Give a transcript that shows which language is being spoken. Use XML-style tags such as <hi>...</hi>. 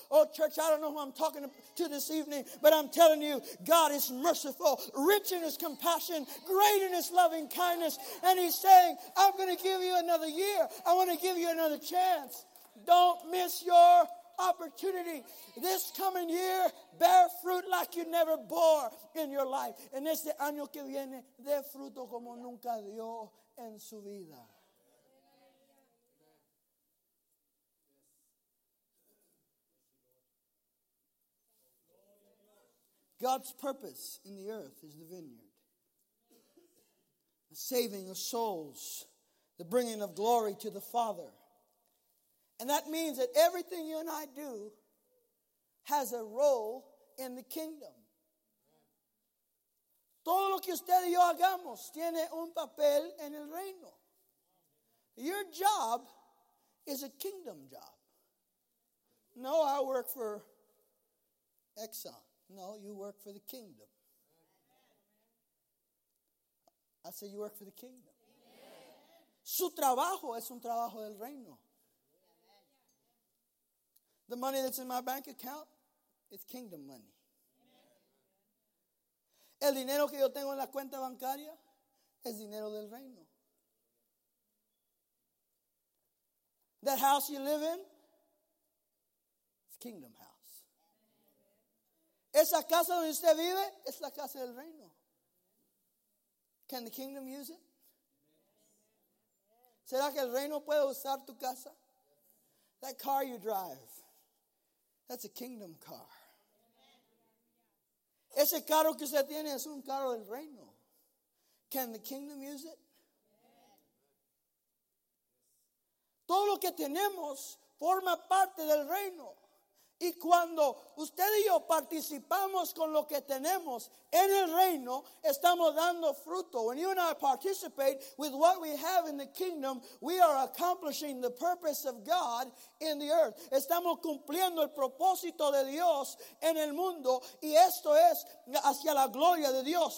<en>Oh, church, I don't know who I'm talking to this evening, but I'm telling you, God is merciful, rich in His compassion, great in His loving kindness. And He's saying, I'm going to give you another year. I want to give you another chance. Don't miss your opportunity. This coming year, bear fruit like you never bore in your life.</en> <es>En este año que viene, dé fruto como nunca dio en su vida.</es> <en>God's purpose in the earth is the vineyard. The saving of souls, the bringing of glory to the Father. And that means that everything you and I do has a role in the kingdom.</en> <es>Todo lo que usted y yo hagamos tiene un papel en el reino.</es> <en>Your job is a kingdom job. No, I work for Exxon. No, you work for the kingdom. I said you work for the kingdom.</en> <es>Su trabajo es un trabajo del reino.</es> <en>The money that's in my bank account, it's kingdom money.</en> <es>El dinero que yo tengo en la cuenta bancaria es dinero del reino.</es> <en>That house you live in, it's kingdom house.</en> <es>Esa casa donde usted vive es la casa del reino.</es> <en>Can the kingdom use it?</en> <es>¿Será que el reino puede usar tu casa?</es> <en>That car you drive, that's a kingdom car.</en> <es>Ese carro que usted tiene es un carro del reino.</es> <en>Can the kingdom use it?</en> <es>Todo lo que tenemos forma parte del reino. Y cuando usted y yo participamos con lo que tenemos en el reino, estamos dando fruto.</es> <en>When you and I participate with what we have in the kingdom, we are accomplishing the purpose of God in the earth.</en> <es>Estamos cumpliendo el propósito de Dios en el mundo, y esto es hacia la gloria de Dios.</es>